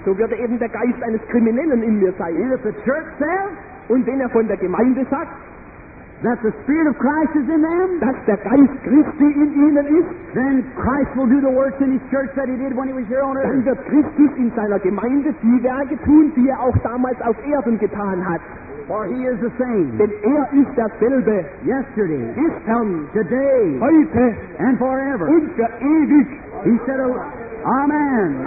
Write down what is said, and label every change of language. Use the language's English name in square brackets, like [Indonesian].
[German] so würde eben der Geist eines Kriminellen in mir sein. [English] And if the church says, [German] und wenn von der Gemeinde sagt, [English] that the spirit of Christ is in them, [German] dass der Geist Christi in ihnen ist, [English] then Christ will do the works in his church that he did when he was here on earth. [German] Dann wird Christus in seiner Gemeinde die Werke tun, die auch damals auf Erden getan hat. [English] For he is the same, [German] denn ist dasselbe, [English] yesterday, [German] gestern, [English] today, [German] heute, [English] and forever, [German] und für ewig. [English] He said, Amen.